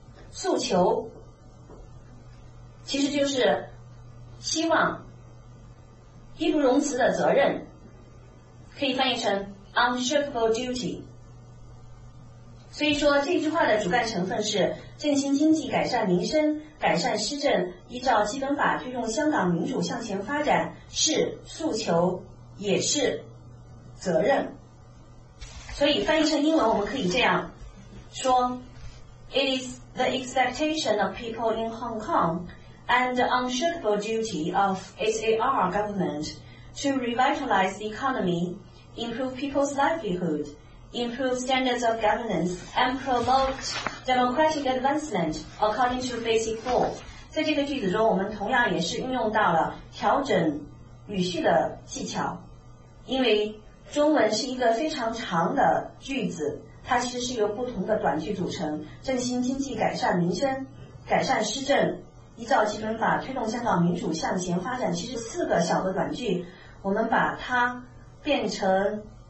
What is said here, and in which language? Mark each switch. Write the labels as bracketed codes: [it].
[zh] 诉求其实就是希望，义不容辞的责任，可以翻译成 [en] unshakable duty。 [zh] 所以说这句话的主干成分是振兴经济、改善民生、改善施政、依照基本法推动香港民主向前发展，是诉求也是责任。所以翻译成英文我们可以这样说， [en] It is the expectation of people in Hong Kongand the unshakable duty of SAR government to revitalize the economy, improve people's livelihood, improve standards of governance, and promote democratic advancement according to basic law。 [zh] 在这个句子中我们同样也是运用到了调整语序的技巧，因为中文是一个非常长的句子，它其实是由不同的短句组成，振兴经济、改善民生、改善施政、依照基本法推动香港民主向前发展，其实四个小的短句，我们把它变成